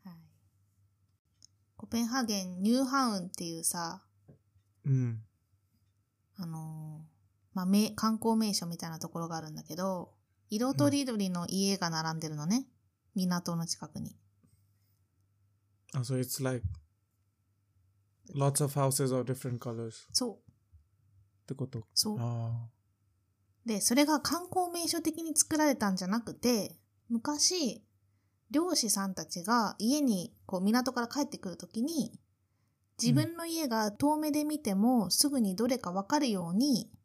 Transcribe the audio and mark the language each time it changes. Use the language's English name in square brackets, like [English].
[Japanese] はい。コペンハーゲンニューハウンっていうさ、うん、まあ、観光名所みたいなところがあるんだけど、色とりどりの家が並んでるのね、うん、港の近くに。 [English] あ、so it's like lots of houses of different colors。 [Japanese] そうってこと。そう、あ、で、それが観光名所的に作られたんじゃなくて、昔漁師さんたちが家にこう港から帰ってくるときに、自分の家が遠目で見てもすぐにどれかわかるように、